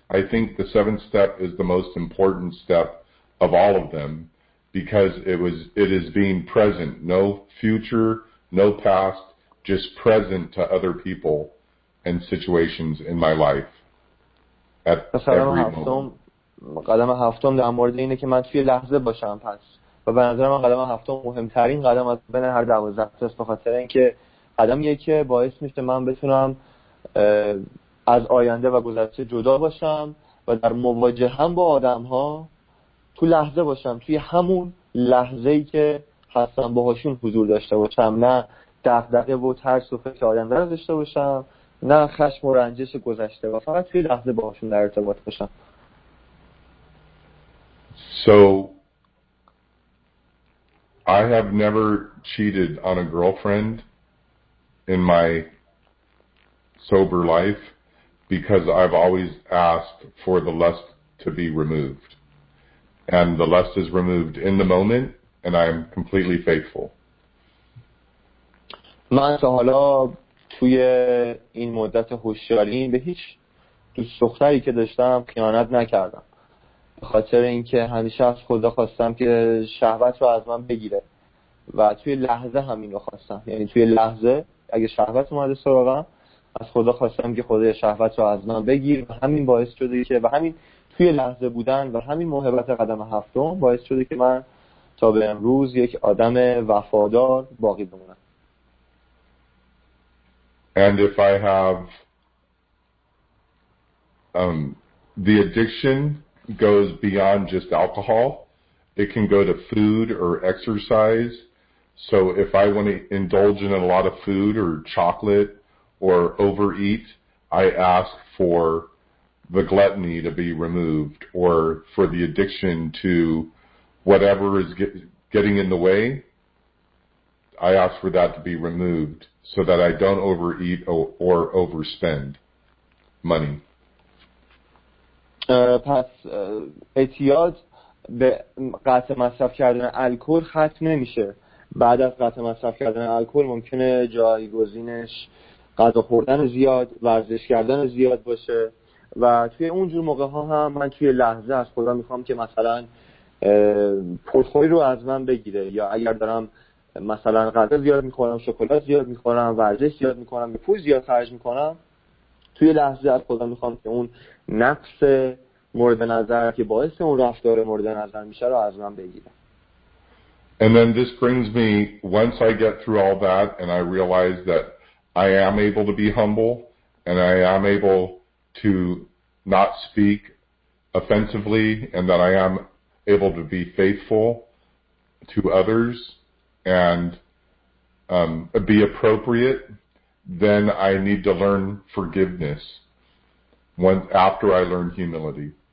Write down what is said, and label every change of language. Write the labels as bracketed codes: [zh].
[en] I think the seventh step is the most important step of all of them because it is being present, no future, no past, just present to other people and situations in my life at every moment. [fa] قدم هفتم در مورد اینه که من توی لحظه باشم پس. و به نظر من قدم هفتم مهمترین قدم از بین هر 12 است به خاطر اینکه قدم یکی باعث میشه من بتونم از آینده و گذشته جدا باشم و در مواجهه هم با آدم ها تو لحظه باشم، توی همون لحظه‌ای که هستم باهاشون حضور داشته باشم، نه دغدغه و ترس و فکر آینده داشته باشم، نه خشم و رنجش گذشته، و فقط توی لحظه باهاشون در ارتباط باشم. [en] So I have never cheated on a girlfriend in my sober life because I've always asked for the lust to be removed and the lust is removed in the moment and I'm completely faithful. [fa] من تا حالا توی این مدت هوشیاری به هیچ دوست دختری که داشتم خیانت نکردم، به خاطر اینکه همیشه از خدا خواستم که شهوت رو از من بگیره و توی لحظه همین رو خواستم، یعنی توی لحظه اگه شهوت اومده سراغم از خدا خواستم که خدای شهوت رو از من بگیر، و همین باعث شده که و همین توی لحظه بودن و همین موهبت قدم هفتم باعث شده که من تا به امروز یک آدم وفادار باقی بمونم. [en] And if I have the addiction goes beyond just alcohol, it can go to food or exercise. So if I want to indulge in a lot of food or chocolate or overeat, I ask for the gluttony to be removed, or for the addiction to whatever is getting in the way, I ask for that to be removed so that I don't overeat or overspend money. [fa] پس اعتیاد به قطع مصرف کردن الکل ختم نمیشه. بعد از قطع مصرف کردن الکل ممکنه جایگزینش غذا خوردن زیاد، ورزش کردن زیاد باشه، و توی اونجور موقع ها هم من توی لحظه از خودم میخوام که مثلا پرخوری رو از من بگیره، یا اگر دارم مثلا غذا زیاد میخورم، شکلات زیاد میخورم، ورزش زیاد میکنم، به پول زیاد خرج میکنم، توی لحظه از خودم میخوام که اون نفس مورد نظر که باعث اون رفتار مورد نظر میشه رو از من بگیره. [en] And then this brings me, once I get through all that and I realize that I am able to be humble and I am able to not speak offensively and that I am able to be faithful to others and be appropriate, then I need to learn forgiveness after I learn humility.